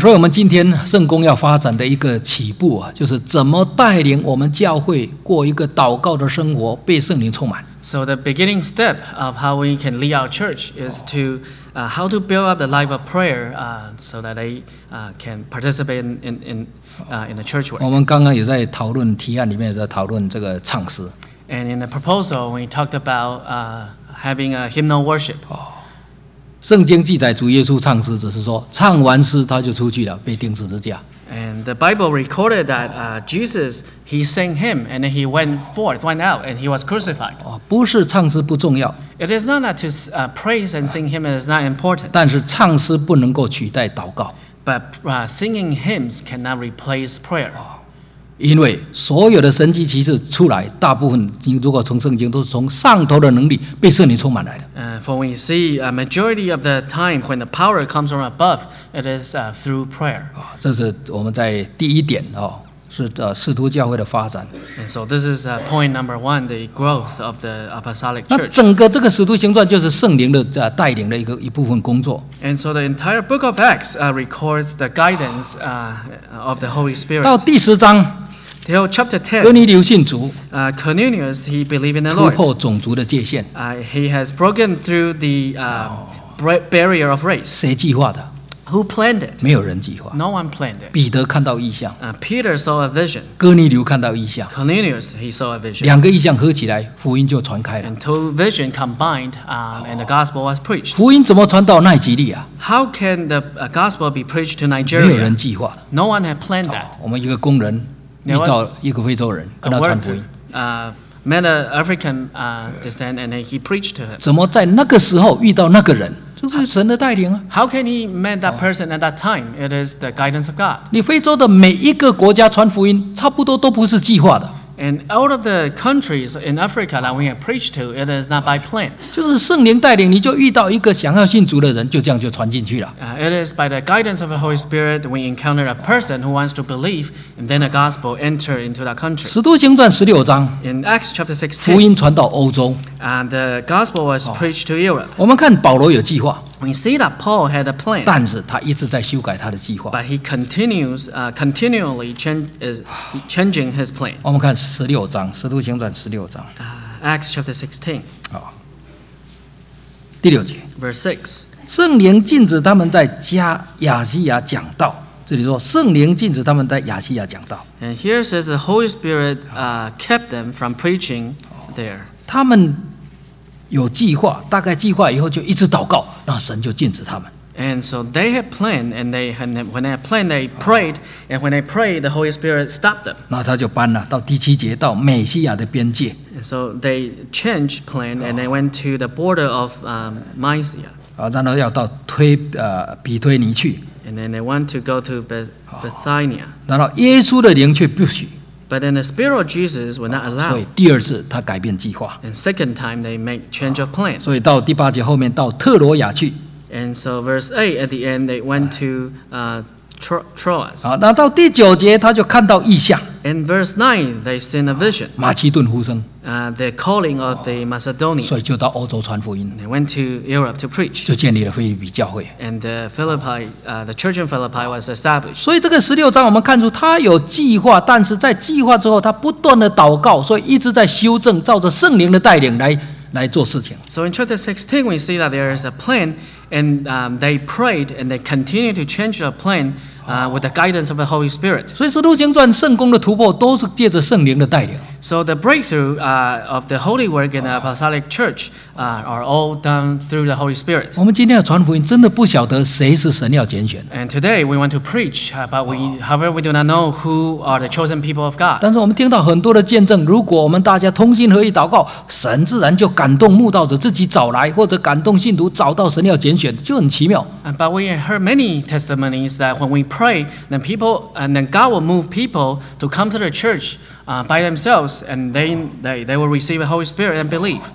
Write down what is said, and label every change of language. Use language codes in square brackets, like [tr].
[zh] 所以我们今天圣工要发展的一个起步就是怎么带领我们教会过一个祷告的生活，被圣灵充满。 [en] So the beginning step of how we can lead our church is to how to build up the life of prayer so that they can participate in the church work. [zh] 我们刚刚有在讨论提案里面有在讨论这个唱诗。 [en] And in the proposal, we talked about having a hymnal worship. [zh] 圣经记载主耶稣唱诗，只是说唱完诗他就出去了，被钉十字架。 [en] And the Bible recorded that Jesus, he sang hymn, and then he went out, and he was crucified. [zh] 不是唱诗不重要。 [en] It is not that to praise and sing hymn is not important. [zh] 但是唱诗不能够取代祷告。 [en] But singing hymns cannot replace prayer. [zh] 因为所有的神迹奇事出来，大部分如果从圣经都是从上头的能力被圣灵充满来的。 [en] For we see a majority of the time when the power comes from above, it is through prayer. [zh] 这是我们在第一点是使徒教会的发展。 [en] And so this is point number one, the growth of the apostolic church. [zh] 那整个这个使徒行传就是圣灵的带领的一部分工作。 [en] And so the entire book of Acts records the guidance of the Holy Spirit. [zh] 到第十章。 [en] Till chapter 10, Cornelius, he believed in the Lord. [zh] 突破种族的界限。 [en] He has broken through the barrier of race. [zh] 谁计划的？ [en] Who planned it? [zh] 没有人计划。 [en] No one planned it. [zh] 彼得看到异象。 [en] Peter saw a vision. [zh] 哥尼流看到异象。 [en] Cornelius, he saw a vision. [zh] 两个异象合起来，福音就传开了。 [en] And two visions combined, and the gospel was preached. [zh] 福音怎么传到奈及利亚？ [en] How can the gospel be preached to Nigeria? [zh] 没有人计划的。 [en] No one had planned that. [zh] 我们一个工人遇到一个非洲人，跟他传福音。 [en] Met an African descent, and he preached to him. [zh] 怎么在那个时候遇到那个人？就是神的带领啊。 [en] How can he meet that person at that time? It is the guidance of God. [zh] 你非洲的每一个国家传福音，差不多都不是计划的。 [en] And out of the countries in Africa that we have preached to, it is not by plan. [zh] 就是圣灵带领，你就遇到一个想要信主的人，就这样就传进去了。 [en] It is by the guidance of the Holy Spirit we encounter a person who wants to believe, and then the gospel enter into that country. [zh] 使徒行传十六章。 [en] In Acts chapter 16. [zh] 福音传到欧洲。 [en] And the gospel was preached to Europe. [zh] 我们看保罗有计划。 [en] We see that Paul had a plan. [zh] 但是他一直在修改他的计划。 [en] But he continues, continually changing his plan. [zh] 我们看十六章，《使徒行传》十六章。 [en] Acts chapter 16. [zh] 第六节。 [en] Verse 6. [zh] 圣灵禁止他们在亚细亚讲道。这里说，圣灵禁止他们在亚细亚讲道。 [en] And here says the Holy Spirit kept them from preaching there. [zh] 他们有计划，大概计划以后就一直祷告，那神就禁止他们。 [en] And so they had planned, and they had, when they had planned, they prayed, and when they prayed, the Holy Spirit stopped them. [zh] 那他就搬了到第七节，到美西亚的边界。 [en] And so they changed plan, and they went to the border of Mysia. [zh] 然后要到比推尼去。 [en] And then they want to go to Bethania. [zh] 然后耶稣的灵却不许。 [en] But then the Spirit of Jesus would not allow. [zh] 所以第二次他改变计划。 [en] And second time they make change of plan. [zh] 所以到第八节后面到特罗亚去。 [en] And so verse 8 at the end they went to Troas. [zh] 那到第九节他就看到异象。 [en] And verse 9 they seen a vision. [zh] 马其顿呼声。 [en] The calling of the Macedonian. [zh] 所以就到欧洲传福音。 [en] They went to Europe to preach. [zh] 就建立了腓立比教会。 [en] And the Philippi, the church in Philippi was established. [zh] 所以这个十六章我们看出他有计划，但是在计划之后他不断的祷告，所以一直在修正，照着圣灵的带领来做事情。 [en] So in chapter 16 we see that there is a plan. And they prayed, and they continued to change the plan with the guidance of the Holy Spirit. [zh] 所以《使徒行传》圣功的突破都是借着圣灵的带领。 [en] So the breakthrough of the holy work in the apostolic church are all done through the Holy Spirit. [zh] 我们今天要传福音，真的不晓得谁是神要拣选。 [en] And today we want to preach, but however we do not know who are the chosen people of God. [zh] 但是我们听到很多的见证，如果我们大家同心合意祷告，神自然就感动慕道者自己找来，或者感动信徒找到神要拣选，就很奇妙。 [en] But we heard many testimonies that when we pray, then people and then God will move people to come to the church. By themselves, and they will receive the Holy Spirit and believe.